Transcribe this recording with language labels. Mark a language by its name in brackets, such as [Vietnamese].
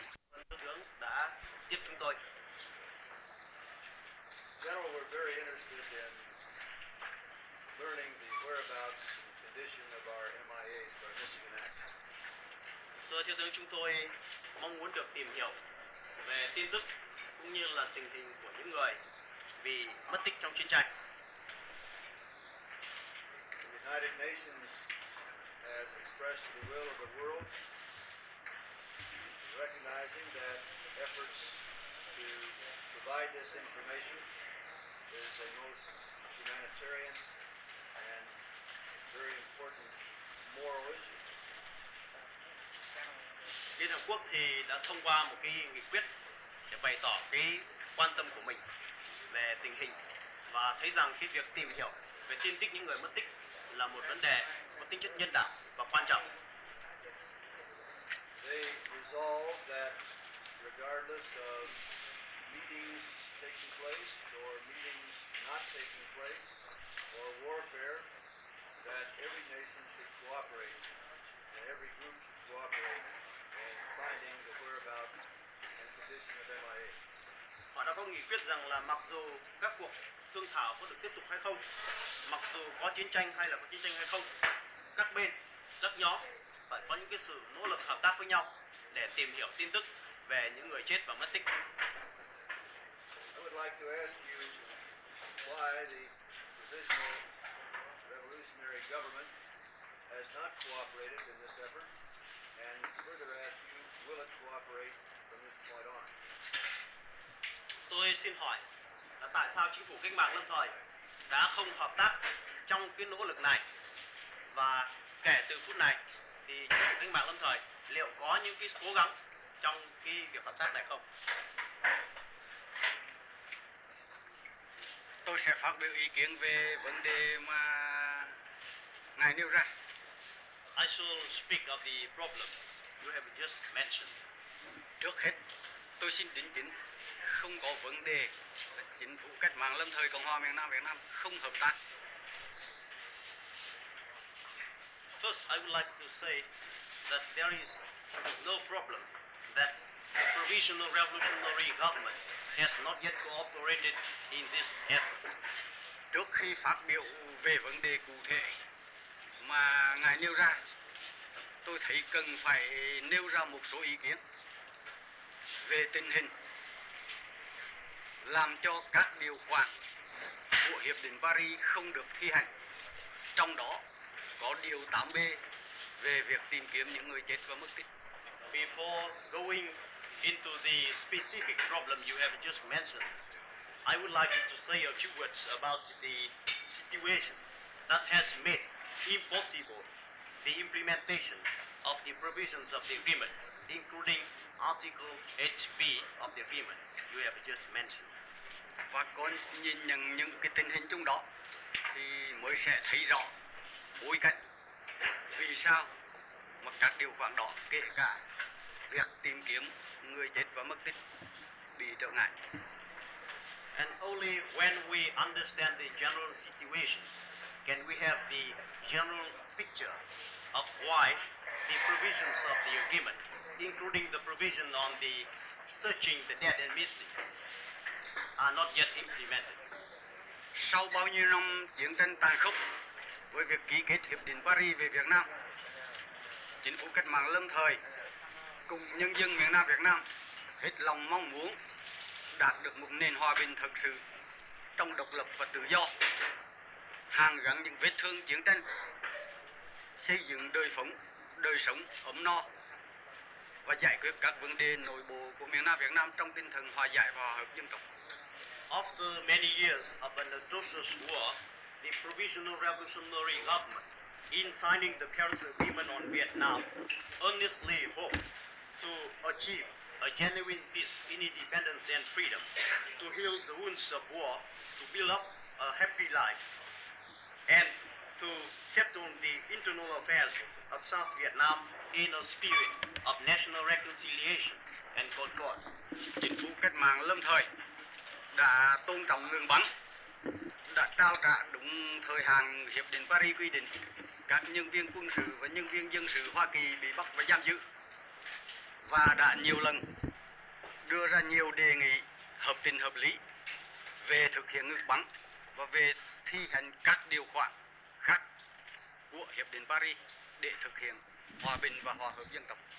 [Vietnamese] Thưa tướng đã tiếp chúng tôi. [English] General, we're very interested in learning the whereabouts and condition of our MIAs, our Michigan Act. [Vietnamese] Thưa tướng, chúng tôi mong muốn được tìm hiểu về tin tức cũng như là tình hình của những người bị mất tích trong chiến tranh. [English] The United Nations has expressed the will of the world, recognizing that efforts to provide this information is a most humanitarian and very important moral issue. [Vietnamese] Liên Hợp Quốc thì đã thông qua một cái nghị quyết để bày tỏ cái quan tâm của mình về tình hình và thấy rằng cái việc tìm hiểu về tin tích những người mất tích là một vấn đề có tính chất nhân đạo và quan trọng. [English] They resolved that regardless of meetings taking place or meetings not taking place or warfare, that every nation should cooperate and every group should cooperate finding the whereabouts and condition of MIA. [Vietnamese] Họ đã có nghị quyết rằng là mặc dù các cuộc thương thảo có được tiếp tục hay không, mặc dù có chiến tranh hay là có chiến tranh hay không, các bên, các nhóm phải có những cái sự nỗ lực hợp tác với nhau để tìm hiểu tin tức về những người chết và mất tích. [English] I would like to ask you why the Provisional Revolutionary Government has not cooperated in this effort. And further ask you, will it cooperate from this point on? [Vietnamese] Tôi xin hỏi là tại sao chính phủ cách mạng lâm thời đã không hợp tác trong cái nỗ lực này và kể từ phút này thì chính phủ cách mạng lâm thời liệu có những cái cố gắng trong cái việc hợp tác này không? Tôi sẽ phát biểu ý kiến về vấn đề mà ngài nêu ra. [English] I shall speak of the problem you have just mentioned. [Vietnamese] Trước hết, tôi xin đính chính, không có vấn đề là chính phủ cách mạng lâm thời Cộng hòa miền Nam Việt Nam không hợp tác. [English] First, I would like to say that there is no problem that the Provisional Revolutionary Government has not yet cooperated in this effort. [Vietnamese] Trước khi phát biểu về vấn đề cụ thể mà ngài nêu ra, tôi thấy cần phải nêu ra một số ý kiến về tình hình làm cho các điều khoản của Hiệp định Paris không được thi hành, trong đó có điều 8B về việc tìm kiếm những người chết và mất tích. [English] Before going into the specific problem you have just mentioned, I would like to say a few words about the situation that has made impossible the implementation of the provisions of the agreement, including Article 8B of the agreement you have just mentioned. [Vietnamese] Và còn nhìn nhận những cái tình hình trong đó thì mới sẽ thấy rõ bối cảnh vì sao mà các điều khoản đó, kể cả việc tìm kiếm người chết và mất tích, bị trở ngại. [English] And only when we understand the general situation can we have the general picture of why the provisions of the agreement, including the provision on the searching the dead and missing, are not yet implemented. [Vietnamese] Sau bao nhiêu năm chiến tranh tàn khốc với việc ký kết Hiệp định Paris về Việt Nam, chính phủ cách mạng lâm thời cùng nhân dân miền Nam Việt Nam hết lòng mong muốn đạt được một nền hòa bình thực sự trong độc lập và tự do, hàn gắn những vết thương chiến tranh, xây dựng đời sống ấm no và giải quyết các vấn đề nội bộ của miền Nam Việt Nam trong tinh thần hòa giải và hòa hợp dân tộc. [English] After many years of an atrocious war, the Provisional Revolutionary Government, in signing the Paris Agreement on Vietnam, earnestly hoped to achieve a genuine peace in independence and freedom, to heal the wounds of war, to build up a happy life, and to settle the internal affairs of South Vietnam in a spirit of national reconciliation and concord. [Vietnamese] Chính phủ cách mạng lâm thời đã tôn trọng ngừng bắn, đã trao trả đúng thời hạn Hiệp định Paris quy định các nhân viên quân sự và nhân viên dân sự Hoa Kỳ bị bắt và giam giữ, và đã nhiều lần đưa ra nhiều đề nghị hợp tình hợp lý về thực hiện ngừng bắn và về thi hành các điều khoản khác của Hiệp định Paris để thực hiện hòa bình và hòa hợp dân tộc.